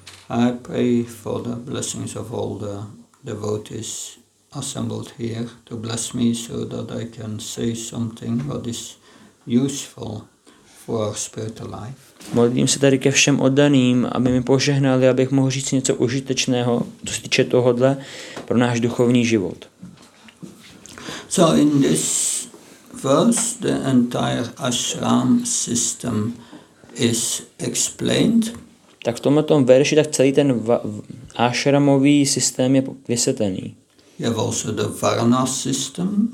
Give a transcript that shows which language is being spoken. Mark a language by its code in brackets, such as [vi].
[en] I pray for the blessings of all the devotees assembled here to bless me so that I can say something that is useful for our spiritual life. [cs] Modlím se tady ke všem oddaným, aby mi požehnali, abych mohl říct něco užitečného, co se týče tohodle, pro náš duchovní život. [en] So in this first, the entire ashram system is explained. [cs] Tak v tomto verši tak celý ten ashramový systém je vysvětlený. [en] We have also the varna system.